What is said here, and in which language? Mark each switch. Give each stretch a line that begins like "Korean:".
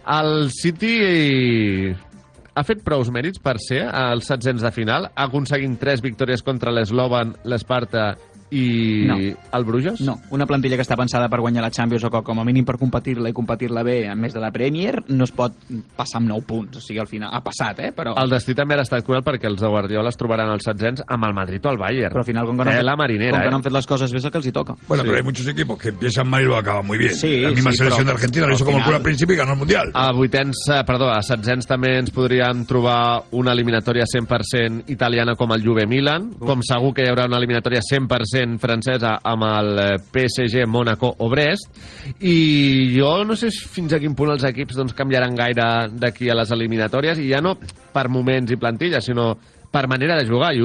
Catalan: El City ha fet prous mèrits per ser als setzens de final, aconseguint 3 victòries contra l'Sloven, l'Esparta i el Bruges? No, una plantilla que està pensada per guanyar la Champions o com a mínim per competir-la i competir-la bé a més de la Premier, no es pot passar amb 9 punts, o sigui, al final ha passat, però... El destí també ha estat cruel perquè els de Guardiola es trobaran als setzens amb el Madrid o el Bayern. Però al final, com que, la marinera, com que no han fet les coses bé, és el que els hi toca. Bueno, sí. Però hi ha
Spanish: muchos equipos que empiezan mal y lo acaban muy bien. Sí, la misma selección d'Argentina, l'hizo como el cura al principi y ganó el Mundial.
Catalan: A vuitens, perdó, a setzens també ens podríem trobar una eliminatòria 100% italiana com el Juve-Milan, com segur que hi haurà una eliminatòria 100% francesa amb el PSG, Mónaco o Brest, i jo no sé fins a quin punt els equips doncs canviaran gaire d'aquí a les eliminatòries, i ja no per moments i plantilles, sinó per manera de jugar.